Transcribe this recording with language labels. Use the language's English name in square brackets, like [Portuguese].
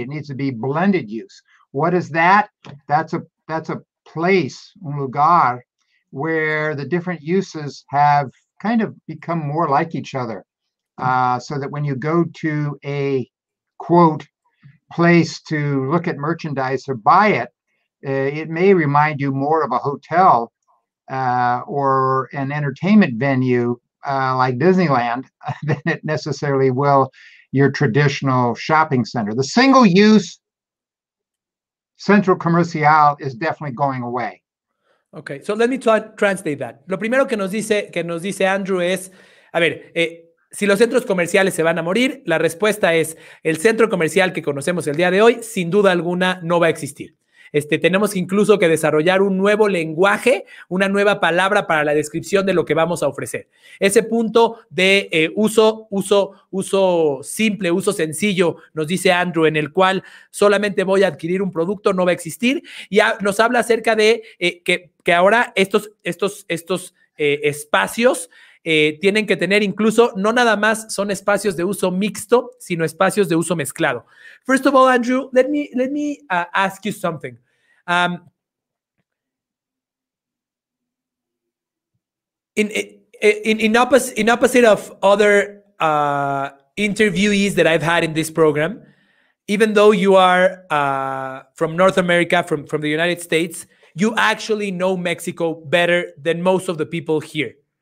[English] It needs to be blended use. What is that? That's a place, [Spanish] un lugar, [English] where the different uses have kind of become more like each other, so that when you go to a quote place to look at merchandise or buy it, it may remind you more of a hotel or an entertainment venue like Disneyland than it necessarily will your traditional shopping center. The single use central comercial is definitely going away. Okay, so let me translate that. [Spanish] Lo primero que nos dice Andrew es, a ver, si los centros comerciales se van a morir, la respuesta es, el centro comercial que conocemos el día de hoy, sin duda alguna, no va a existir. Tenemos incluso que desarrollar un nuevo lenguaje, una nueva palabra para la descripción de lo que vamos a ofrecer. Ese punto de uso simple, uso sencillo, nos dice Andrew, en el cual solamente voy a adquirir un producto, no va a existir. Y nos habla acerca de que ahora estos espacios tienen que tener incluso, no nada más son espacios de uso mixto, sino espacios de uso mezclado. [English] First of all, Andrew, let me ask you something. In opposite of other interviewees that I've had in this program, even though you are from North America, from the United States, you actually know Mexico better than most of the people here.